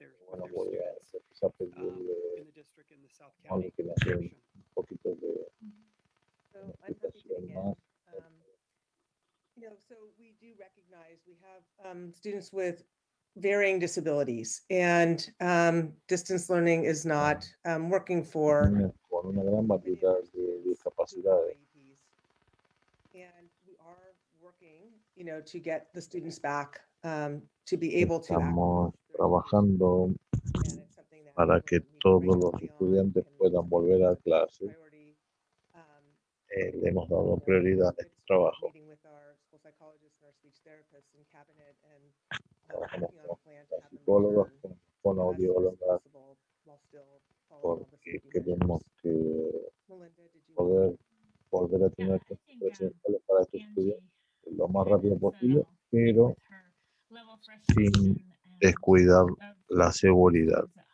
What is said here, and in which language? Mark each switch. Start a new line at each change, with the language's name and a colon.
Spanish: Bueno, voy a empezar a pedirle a alguien que me hace un poquito de explicación más.
English: So we do recognize we have students with varying disabilities, and distance learning is not working for
Spanish: con una gran variedad de discapacidades.
English: And we are working, to get the students back to be able to
Spanish: Estamos trabajando para que todos los estudiantes puedan volver a clase. Le hemos dado prioridad a este trabajo. Trabajamos con psicólogos, con audiólogos, porque queremos que poder volver a tener presenciales para estos estudiantes lo más rápido posible, pero sin descuidar la seguridad.